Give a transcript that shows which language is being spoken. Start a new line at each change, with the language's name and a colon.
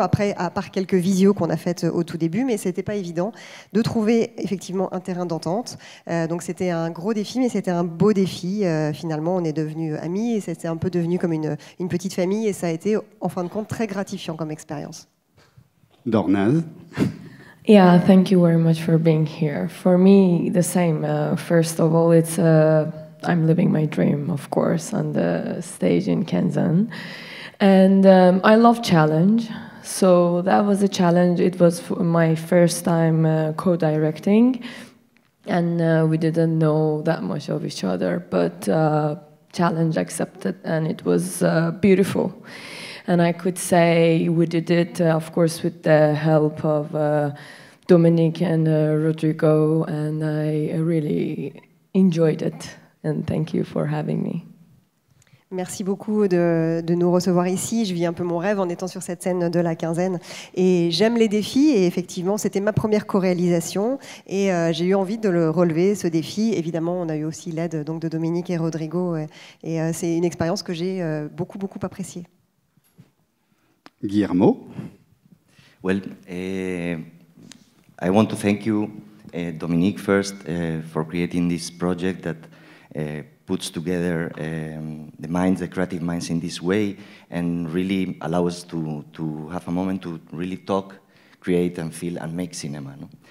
French: Après, à part quelques visios qu'on a faites au tout début, mais ce n'était pas évident de trouver, effectivement, un terrain d'entente. Donc, c'était un gros défi, mais c'était un beau défi. Finalement, on est devenus amis, et c'était un peu devenu comme une petite famille, et ça a été, en fin de compte, très gratifiant comme expérience. Dornaz.
English: Yeah, thank you very much for being here. For me, the same. First of all, it's I'm living my dream, of course, on the stage in Kenzan. And I love challenge. So that was a challenge. It was my first time co-directing. And we didn't know that much of each other. But challenge accepted, and it was beautiful. And I could say we did it, of course, with the help of Dominique and Rodrigo, and I really enjoyed it. And thank you for having me.
French: Merci beaucoup de nous recevoir ici. Je vis un peu mon rêve en étant sur cette scène de la quinzaine. Et j'aime les défis, et effectivement, c'était ma première co-réalisation, et j'ai eu envie de le relever, ce défi. Évidemment, on a eu aussi l'aide donc, de Dominique et Rodrigo, et c'est une expérience que j'ai beaucoup, beaucoup appréciée. Guillermo.
English: Well, I want to thank you, Dominique, first, for creating this project that puts together the minds, the creative minds, in this way, and really allow us to have a moment to really talk, create, and feel, and make cinema. No?